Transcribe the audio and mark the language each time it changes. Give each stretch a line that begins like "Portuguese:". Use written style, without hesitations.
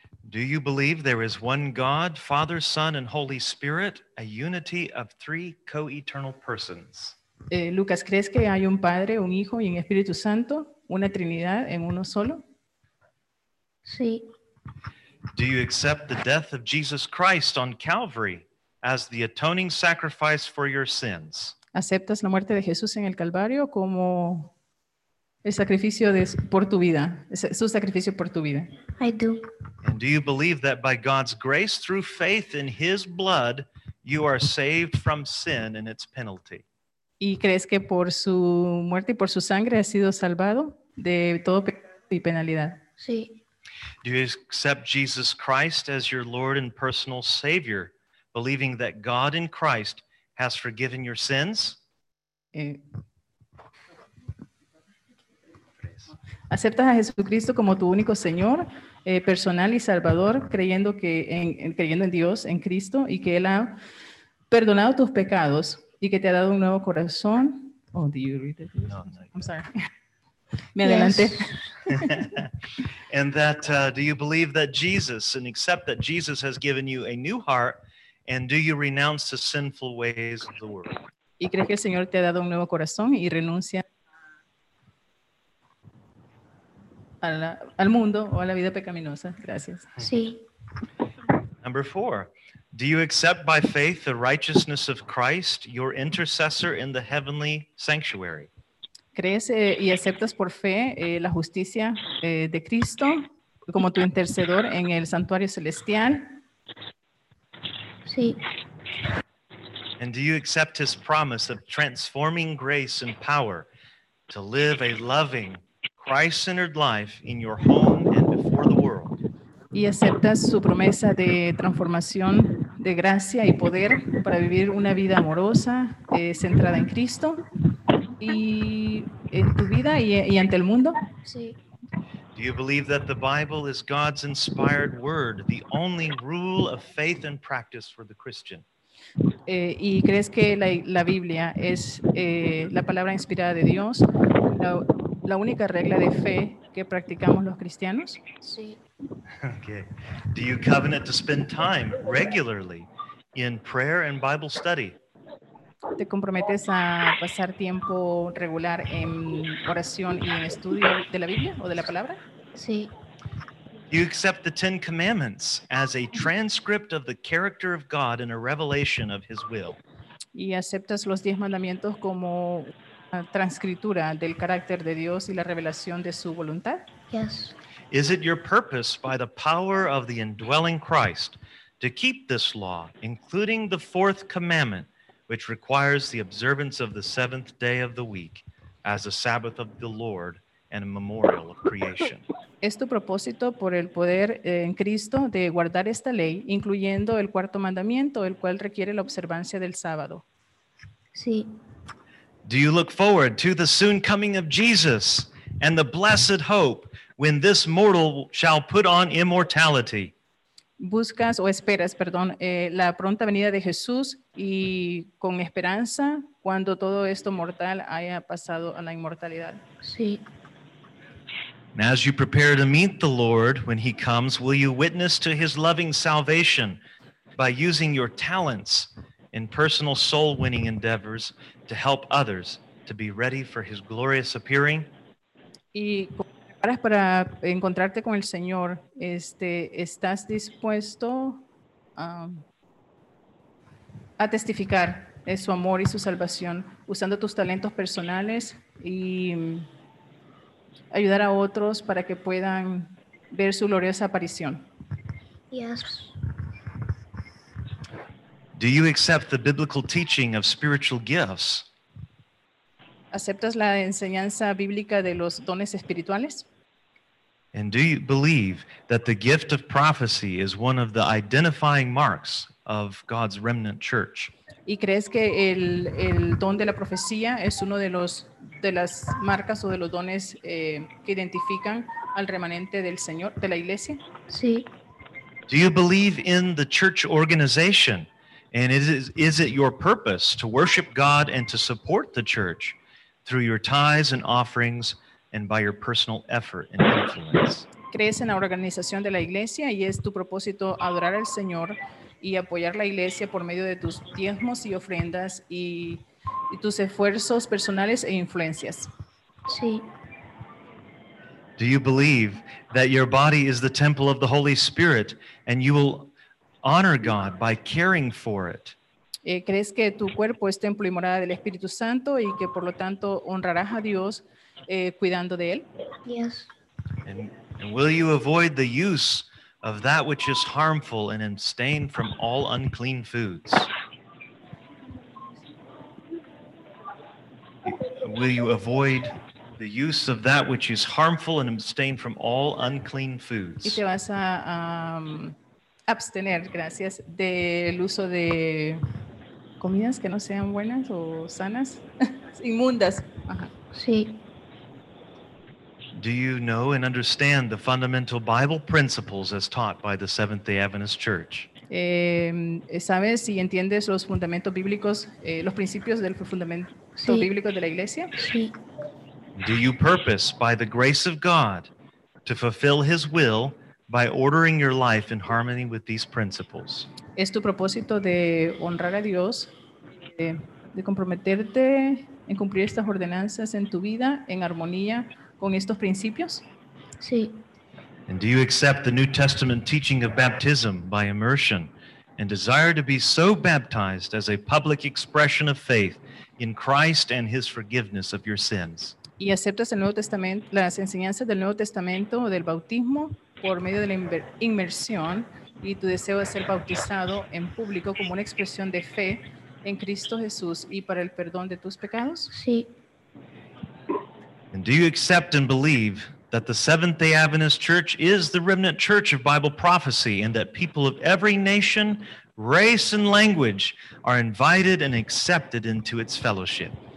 English: Do you believe there is one God, Father, Son, and Holy Spirit, a unity of three co-eternal persons?
Spanish: Lucas, ¿crees que hay un Padre, un Hijo y un Espíritu Santo, una Trinidad en uno solo? Sí.
English: Do you accept the death of Jesus Christ on Calvary as the atoning sacrifice for your sins?
Spanish: ¿Aceptas la muerte de Jesús en el Calvario como el sacrificio por tu vida, su sacrificio por tu vida?
English: I do. And do you believe that by God's grace through faith in his blood, you are saved from sin and its penalty?
Spanish: ¿Y crees que por su muerte y por su sangre has sido salvado de todo pecado y penalidad? Sí.
English: Do you accept Jesus Christ as your Lord and personal Savior, believing that God in Christ has forgiven your sins?
Spanish: ¿Aceptas a Jesucristo como tu único Señor, personal y Salvador, creyendo en Dios, en Cristo, y que Él ha perdonado tus pecados y que te ha dado un nuevo corazón?
English: Oh, did you read it? No, I'm sorry.
Spanish: Me adelanté.
English: And that, do you believe that Jesus, and accept that Jesus has given you a new heart, and do you renounce the sinful ways of the world?
Spanish: ¿Y crees que el Señor te ha dado un nuevo corazón y renuncia al mundo o a la vida pecaminosa? Gracias. Sí.
English: Number 4. Do you accept by faith the righteousness of Christ, your intercessor in the heavenly sanctuary?
Spanish: ¿Crees y aceptas por fe la justicia de Cristo como tu intercedor en el santuario celestial? Sí.
English: And do you accept his promise of transforming grace and power to live a loving, Christ-centered life in your home and before the world?
Spanish: ¿Y aceptas su promesa de transformación de gracia y poder para vivir una vida amorosa, centrada en Cristo y en tu vida y ante el mundo? Sí.
English: Do you believe that the Bible is God's inspired word, the only rule of faith and practice for the Christian?
Spanish: ¿Y crees que la Biblia es la palabra inspirada de Dios, la única regla de fe que practicamos los cristianos? Sí.
English: Okay. Do you covenant to spend time regularly in prayer and Bible study?
Spanish: ¿Te comprometes a pasar tiempo regular en oración y en estudio de la Biblia o de la palabra? Sí.
English: You accept the Ten Commandments as a transcript of the character of God and a revelation of His will.
Spanish: Y aceptas los diez mandamientos como transcritura del carácter de Dios y la revelación de su voluntad.
English: Yes. Is it your purpose by the power of the indwelling Christ to keep this law, including the fourth commandment, which requires the observance of the seventh day of the week as a Sabbath of the Lord and a memorial of creation?
Spanish: ¿Es tu propósito por el poder en Cristo de guardar esta ley, incluyendo el cuarto mandamiento, el cual requiere la observancia del sábado? Sí.
English: Do you look forward to the soon coming of Jesus and the blessed hope when this mortal shall put on immortality?
Spanish: Buscas o esperas, perdón, la pronta venida de Jesús y con esperanza cuando todo esto mortal haya pasado a la inmortalidad. Sí.
English: And as you prepare to meet the Lord when He comes, will you witness to His loving salvation by using your talents in personal soul-winning endeavors to help others to be ready for His glorious appearing?
Spanish: Y para encontrarte con el Señor, ¿estás dispuesto a testificar su amor y su salvación usando tus talentos personales y ayudar a otros para que puedan ver su gloriosa aparición?
English: Yes. Do you accept the biblical teaching of spiritual gifts?
Spanish: ¿Aceptas la enseñanza bíblica de los dones espirituales?
English: And do you believe that the gift of prophecy is one of the identifying marks of God's remnant church?
Spanish: ¿Y crees que el don de la profecía es uno de los de las marcas o de los dones que identifican al remanente del Señor, de la iglesia? Sí.
English: Do you believe in the church organization? And is it your purpose to worship God and to support the church through your tithes and offerings and by your personal effort and influence?
Spanish: ¿Crees en la organización de la iglesia y es tu propósito adorar al Señor y apoyar la iglesia por medio de tus diezmos y ofrendas y tus esfuerzos personales e influencias? Sí.
English: Do you believe that your body is the temple of the Holy Spirit and you will honor God by caring for it?
Spanish: ¿Crees que tu cuerpo es templo y morada del Espíritu Santo y que por lo tanto honrarás a Dios cuidando de él?
English: Yes. And will you avoid the use of that which is harmful and abstain from all unclean foods? Will you avoid the use of that which is harmful and abstain from all unclean foods?
Spanish: Y te vas a abstener, gracias, del uso de comidas que no sean buenas o sanas, inmundas. Sí.
English: Do you know and understand the fundamental Bible principles as taught by the Seventh-day Adventist Church?
Spanish: ¿Sabes y entiendes los fundamentos bíblicos, los principios del fundamento? Sí. Bíblicos de la iglesia?
English: Do you purpose by the grace of God to fulfill His will by ordering your life in harmony with these principles?
Spanish: ¿Es tu propósito de honrar a Dios, de comprometerte en cumplir estas ordenanzas en tu vida en armonía con estos principios? Sí.
English: And do you accept the New Testament teaching of baptism by immersion and desire to be so baptized as a public expression of faith in Christ and His forgiveness of your sins?
Spanish: ¿Y aceptas el Nuevo Testamento, las enseñanzas del Nuevo Testamento o del bautismo por medio de la inmersión y tu deseo de ser bautizado en público como una expresión de fe en Cristo Jesús y para el perdón de tus pecados? Sí.
English: And do you accept and believe that the Seventh-day Adventist Church is the remnant church of Bible prophecy and that people of every nation, race, and language are invited and accepted into its fellowship?